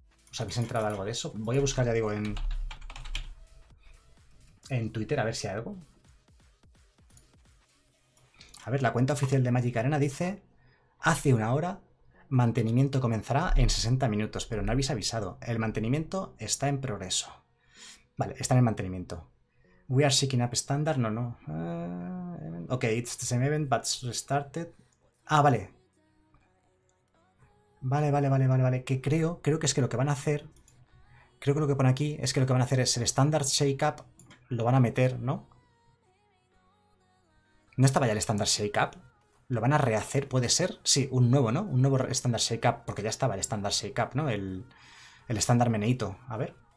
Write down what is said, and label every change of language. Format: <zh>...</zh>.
<es>¿Os habéis entrado algo de eso? Voy a buscar, ya digo, en Twitter a ver si hay algo. A ver, la cuenta oficial de Magic Arena dice hace una hora. Mantenimiento comenzará en 60 minutos, pero no habéis avisado. El mantenimiento está en progreso. Vale, está en el mantenimiento.</es> <en>We are seeking up standard. No, no. Ok, it's the same event, but restarted.</en> <es>Ah, vale. Vale. Que creo que es que lo que van a hacer. Creo que lo que pone aquí es que lo que van a hacer es el standard shake-up. Lo van a meter, ¿no? No estaba ya el standard shake-up. ¿Lo van a rehacer? ¿Puede ser? Sí, un nuevo, ¿no? Un nuevo estándar shake-up, porque ya estaba el estándar shake-up, ¿no? El estándar meneito. A ver.</es>